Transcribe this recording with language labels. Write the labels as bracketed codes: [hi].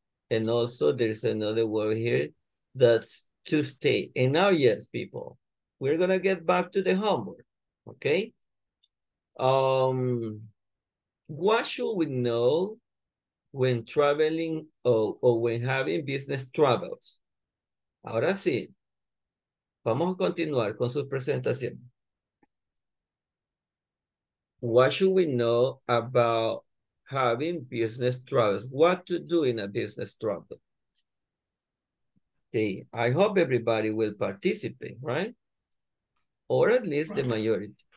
[en] And also there's another word here, that's to stay. And now, yes, people, we're gonna get back to the homework, okay? What should we know when traveling or when having business travels? [es] Ahora sí, vamos a continuar con su presentación. [en] What should we know about having business travels? What to do in a business travel? Okay, I hope everybody will participate, right? Or at least the majority.